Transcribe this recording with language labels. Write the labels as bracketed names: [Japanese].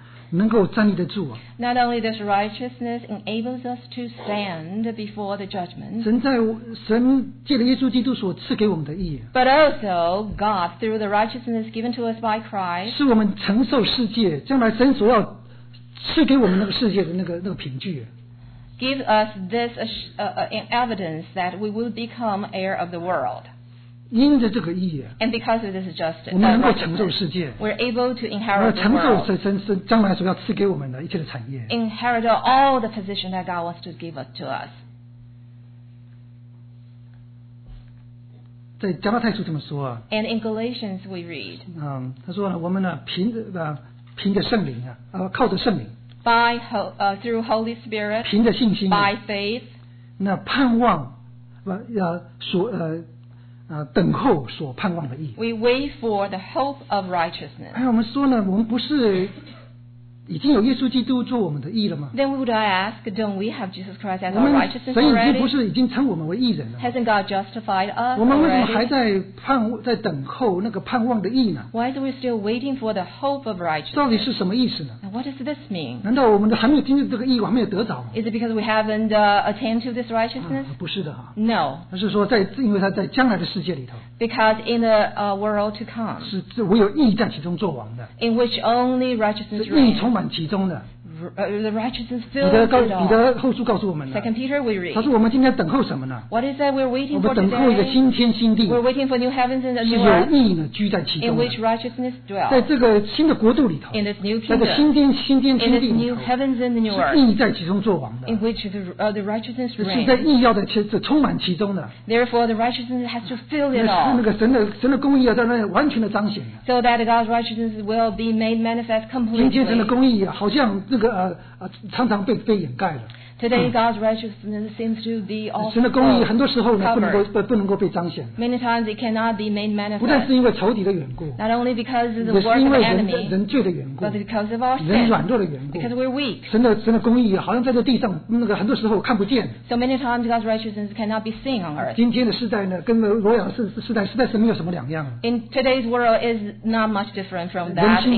[Chinese] 这个义啊，不但是使我们呢，在神的面审判的时候呢，能够站立得住啊。 [English] Not only does righteousness enables us to stand before the judgment. [Chinese] 神借着耶稣基督所赐给我们的义。 [English] But also God through the righteousness given to us by Christ. [Chinese] 使我们承受世界，将来神所要赐给我们那个世界的那个凭据。 [English] Give us this an evidence that we will become heir of the world. [Chinese] 因着这个义啊， [English] and because of this justice, [Chinese] 我们能够承受世界， [English] we're able to inherit the world. [Chinese] 承受神将来所要赐给我们的一切的产业。 [English] Inherit all the position that God wants to give to us. [Chinese] 在加拉太书这么说啊。 [English] And in Galatians we read. [Chinese] 他说呢，我们呢凭着圣灵啊，靠着圣灵。 [English] By through Holy Spirit. [Chinese] 凭着信心。 [English] By faith. [Chinese] 那盼望，不要所。 [English] We wait for the hope of righteousness. [Chinese] 哎，我们说呢，我们不是已经有耶稣基督做我们的义了吗？ [English] Then would I ask, don't we have Jesus Christ as our righteousness already? [Chinese] 神已经称我们为义人了。 [English] Hasn't God justified us? [Chinese] 我们为什么还在等候那个盼望的义呢？ [English] Why are we still waiting for the hope of righteousness? [Chinese] 到底是什么意思呢？ [English] And what does this mean? [Chinese] 难道我们还没有经历这个义，还没有得着吗？ [English] Is it because we haven't attained to this righteousness? [Chinese] 不是的哈。 [English] No. [Chinese] 而是说，因为他在将来的世界里头。 [English] Because in the world to come. [Chinese] 是唯有义在其中作王的。 [English] In which only righteousness reigns. [Chinese] 充满其中的。 [English] The righteousness filled with it all. 2 Peter we read. [Chinese] 他说我们今天等候什么呢？ [English] What is that we're waiting for today? We're waiting for new heavens and new earth. In which righteousness dwells. [Chinese] 在这个新的国度里头, [English] in this new kingdom. [Chinese] 那个新天新地里头, [English] in this new heavens and the new earth. [Chinese] 是义在其中作王的, [English] in which the righteousness reigns. [Chinese] 是在义要的充满其中的, [English] therefore the righteousness has to fill it all. [Chinese] 那个神的公义要在那里完全的彰显, [English] so that God's righteousness will be made manifest completely. [Chinese] 今天神的公义好像 常常被掩盖了。 [English] Today God's righteousness seems to be all covered. [Chinese] 神的公义很多时候呢，不能够被彰显。 [English] Many times it cannot be made manifest. [Chinese] 不但是因为仇敌的缘故。 [English] Not only because of the work of the enemy. [Chinese] 是因为人罪的缘故。 [English] But because of our sin. [Chinese] 人软弱的缘故。 [English] Because we're weak. [Chinese] 神的公义好像在这地上，那个很多时候看不见。 [English] So many times God's righteousness cannot be seen on earth. [Chinese] 今天的世代呢，跟罗亚世代实在是没有什么两样。 [English] In today's world is not much different from that in Noah's days.